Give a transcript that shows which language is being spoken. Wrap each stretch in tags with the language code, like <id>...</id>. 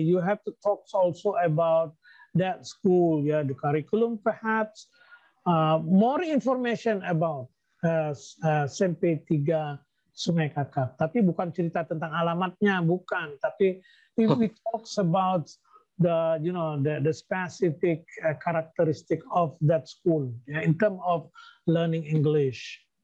<en>You have to talk also about that school, yeah, the curriculum, perhaps more information about SMP 3 Sungai Kakap.</en> <id>Tapi bukan cerita tentang alamatnya, bukan.</id> <en>Tapi if we talk about the specific characteristic of that school, yeah, in term of learning English.</en>